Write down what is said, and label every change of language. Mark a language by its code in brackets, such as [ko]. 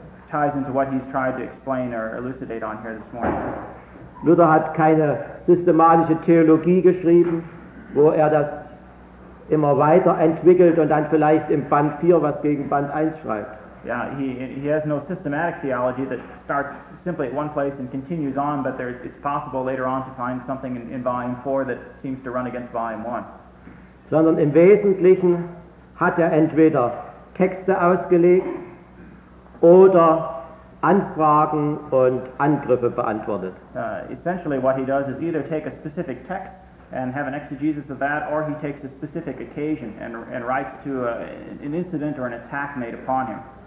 [en] Ties into what he's tried to explain or elucidate on here this morning. [de] Luther hat keine systematische Theologie geschrieben, wo er das immer weiter entwickelt und dann vielleicht im Band 4 was gegen Band 1 schreibt. [en] Yeah, he has no systematic theology that starts simply at one place and continues on, but it's possible later on to find something in Volume 4 that seems to run against Volume 1. [de] Sondern im Wesentlichen hat er entweder Texte ausgelegt oder Anfragen und Angriffe beantwortet. [en] Essentially what he does is either take a specific text and have an exegesis of that, or he takes a specific occasion and writes to an incident or an attack made upon him.